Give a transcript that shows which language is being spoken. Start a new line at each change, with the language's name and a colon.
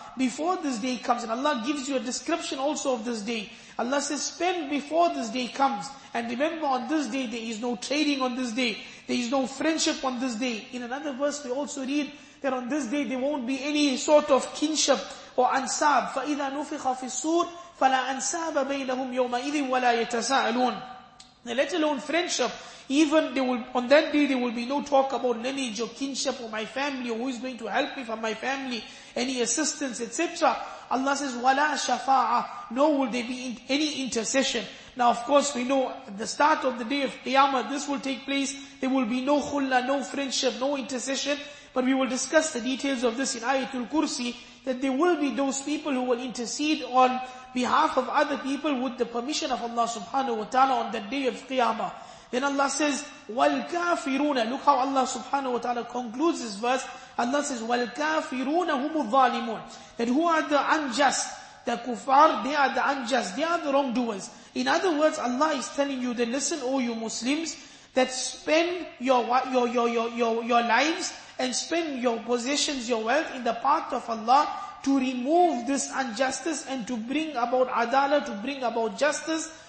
English: Before this day comes, and Allah gives you a description also of this day, Allah says, spend before this day comes. And remember, on this day there is no trading on this day, there is no friendship on this day. In another verse we also read that on this day there won't be any sort of kinship or ansab.
Arabic: فَإِذَا نُفِخَ فِي السُّورِ فَلَا أَنْسَابَ بَيْنَهُمْ يَوْمَئِذٍ وَلَا يَتَسَاءَلُونَ,
English: let alone friendship. Even they will, on that day there will be no talk about lineage or kinship or my family or who is going to help me from my family, any assistance, etc. Allah says,
Arabic: وَلَا شَفَاعَةً,
English: nor will there be any intercession. Now of course we know at the start of the day of Qiyamah this will take place, there will be no khulla, no friendship, no intercession. But we will discuss the details of this in Ayatul Kursi, that there will be those people who will intercede on behalf of other people with the permission of Allah subhanahu wa ta'ala on that day of Qiyamah. Then Allah says, وَالْكَافِرُونَ. Look how Allah subhanahu wa ta'ala concludes this verse. Allah says,
Arabic: وَالْكَافِرُونَ هُمُ الظَّالِمُونَ.
English: That who are the unjust? The kuffar, they are the unjust, they are the wrongdoers. In other words, Allah is telling you that, listen, O you Muslims, that spend your lives and spend your possessions, your wealth in the path of Allah to remove this injustice and to bring about adala, to bring about justice.